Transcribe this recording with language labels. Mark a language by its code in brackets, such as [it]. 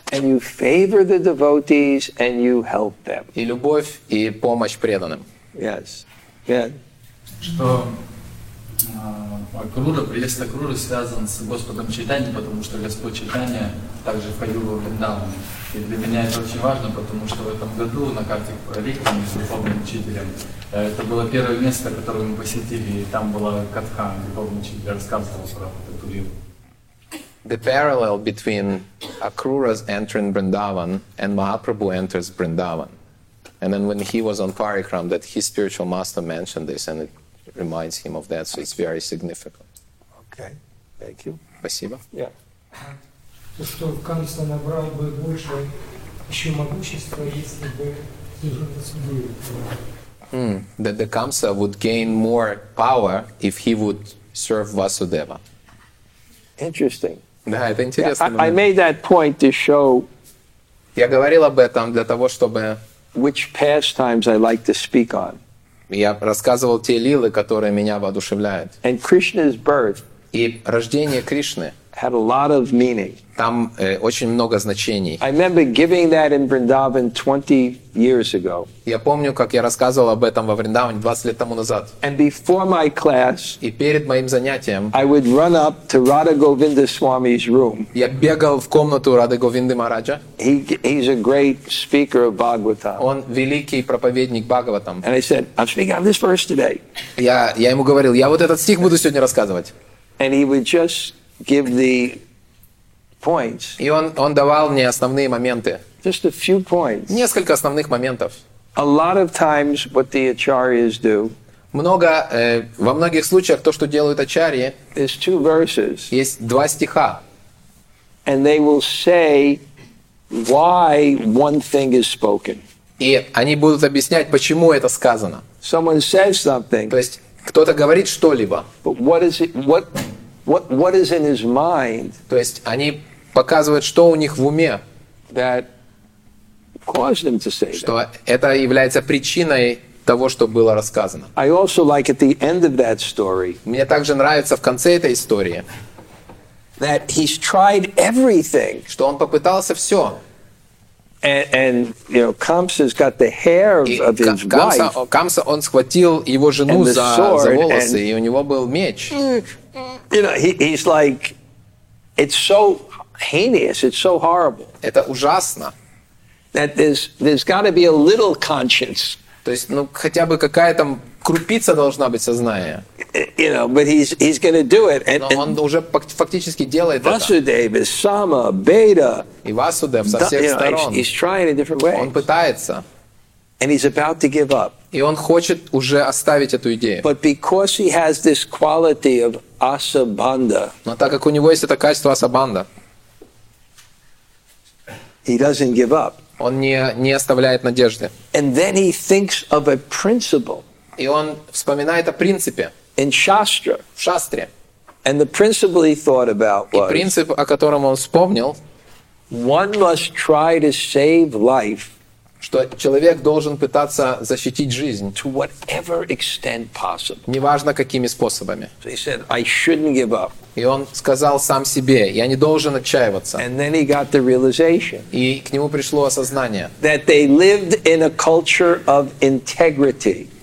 [en] And you favor the devotees and you help them. [ru] И любовь и помощь преданным. [en] Yes. Good. [ru] Что Акрура, приезд Акруры связан с Господом Чайтанья, потому что Господь Чайтанья также ходил во Вриндаване. И для меня это очень важно, потому что в этом году на карте Парикрамы с духовным учителем это было первое место, которое мы посетили, и там была катха, духовный учитель рассказывал про эту лилу. [en] The parallel between Akrura's entering Vrindavan and Mahaprabhu enters Vrindavan. And then when he was on Parikram, that his spiritual master mentioned this, and it reminds him of that, so it's very significant. Okay, thank you. [ru] Спасибо. [en] Yeah. [ru] То, что Камса набрал бы больше еще могущества, если бы служил Васудеве. [en] That the Камса would gain more power if he would serve Vasudeva. Interesting. [ru] Да, это интересно. [en] I made that point to show [ru] Я говорил об этом для того, чтобы... [en] Which pastimes I like to speak on. [ru] Я рассказывал те лилы, которые меня воодушевляют. [en] And Krishna's birth. [ru] И рождение Кришны. [en] Had a lot of meaning. [ru] Там очень много значений. [en] I remember giving that in Vrindavan 20 years ago. [ru] Я помню, как я рассказывал об этом во Вриндаване 20 лет тому назад. [en] And before my class, [ru] и перед моим занятием, [en] I would run up to Radha Govinda Swami's room. [ru] Я бегал в комнату Радхи Говинды Махараджа. [en] He's a great speaker of Bhagavatam. [ru] Он великий проповедник Бхагаватам. [en] And I said, I'm speaking on this verse today. [ru] Я ему говорил, я вот этот стих буду сегодня рассказывать. [en] And he would just give the points. [ru] И он давал мне основные моменты. [en] Just a few points. [ru] Несколько основных моментов. [en] A lot of times what the acharyas do. [ru] Много во многих случаях то, что делают ачарьи. [en] Is two verses. [ru] Есть два стиха. [en] And they will say why one thing is spoken. [ru] И они будут объяснять, почему это сказано. [en] Someone says something. [ru] То есть кто-то говорит что-либо. [en] But what is it? What is in his mind? [ru] То есть они показывают, что у них в уме. [en] That caused him to say that. [ru] Что это является причиной того, что было рассказано. [en] I also like at the end of that story. [ru] Мне также нравится в конце этой истории. [en] That he's tried everything. [ru] Что он попытался все. [en] And you know, Kamsa's got the hair of his Kamsa, wife. [ru] Kamsa, он схватил его жену за волосы, и у него был меч. [en] You know, he's like, it's so heinous, it's so horrible. [ru] Это ужасно. [en] That there's got to be a little conscience. [ru] То есть, ну хотя бы какая-то крупица должна быть сознания. [en] You know, but he's going to do it. [ru] Но он уже фактически делает это. [en] Vasudeva, Sama, Beda. [ru] И Васудев со всех сторон. [en] He's trying in different ways. [ru] Он пытается. [en] And he's about to give up. [ru] И он хочет уже оставить эту идею. [en] But because he has this quality of asabandha. [ru] Но так как у него есть это качество асабанда. [en] He doesn't give up. [ru] Он не оставляет надежды. [en] And then he thinks of a principle. [ru] И он вспоминает о принципе. [en] In Shastra. [ru] В шастре. [en] And the principle he thought about was. [ru] И принцип, о котором он вспомнил. [en] One must try to save life. [ru] Что человек должен пытаться защитить жизнь. [en] To whatever extent possible. [ru] Неважно какими способами. [en] So he said, I shouldn't give up. [ru] И он сказал сам себе, я не должен отчаиваться. [en] And then he got the realization. [ru] И к нему пришло осознание. [en] That they lived in a culture of integrity.